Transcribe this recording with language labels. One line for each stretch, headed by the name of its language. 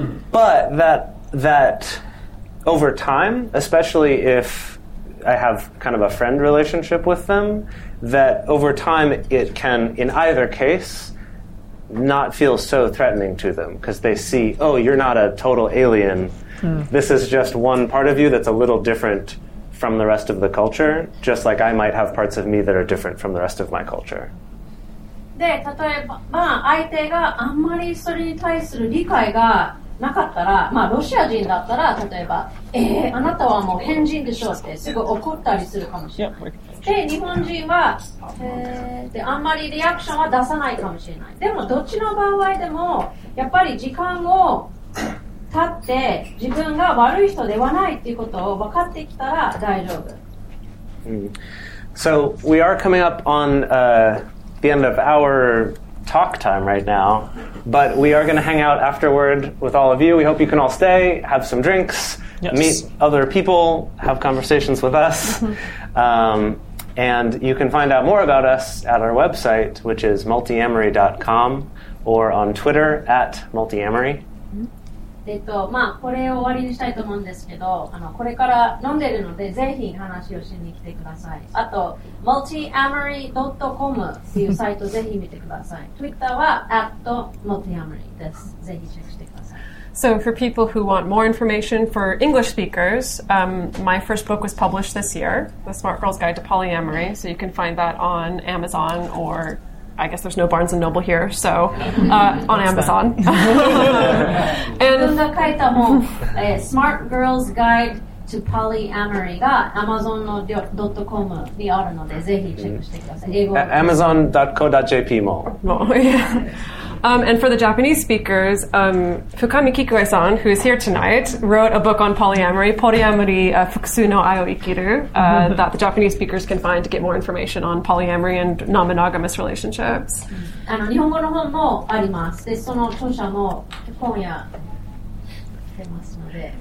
English: But that over time, especially if I have kind of a friend relationship with them, that over time it can, in either case, not feel so threatening to them, because they see, oh, you're not a total alien. This is just one part of you that's a little different from the rest of the culture, just like I might have parts of me that are different from the rest of my culture.
Japanese: で、例えば、まあ、相手があんまりそれに対する理解がなかったら、まあ、ロシア人だったら、例えば、あなたはもう変人でしょうってすぐ怒ったりするかもしれない。で、日本人は、あんまりリアクションは出さないかもしれない。でも、どっちの場合でも、やっぱり時間を、立って自分が悪い人ではないっていうことを分かってきたら大丈夫。
English: So we are coming up on the end of our talk time right now, but we are going to hang out afterward with all of you. We hope you can all stay, have some drinks, yes. Meet other people, have conversations with us. And you can find out more about us at our website, which is multiamory.com, or on Twitter at multiamory.
Japanese: まあ、これを終わりにしたいと思うんですけど、あの、これから飲んでるので、ぜひ話をしに来てください。あと、multiamory.com っていうサイトぜひ見てください。 Twitter は @multiamory です。ぜひチェックしてください。
English: So for people who want more information for English speakers, my first book was published this year, The Smart Girl's Guide to Polyamory, so you can find that on Amazon or... I guess there's no Barnes and Noble here, so on Amazon. And
Japanese: 書いた本、Smart Girl's Guide to Polyamory が Amazon の .com にあるので、ぜひチェックしてください。 Amazon.co.jp も。
English: And for the Japanese speakers, Fukami Kikue-san, who is here tonight, wrote a book on polyamory, Polyamori Fukusu no Ai o Ikiru, that the Japanese speakers can find to get more information on polyamory and non-monogamous relationships.
Japanese: 日本語の本もあります。で、その著者も今夜出ますので。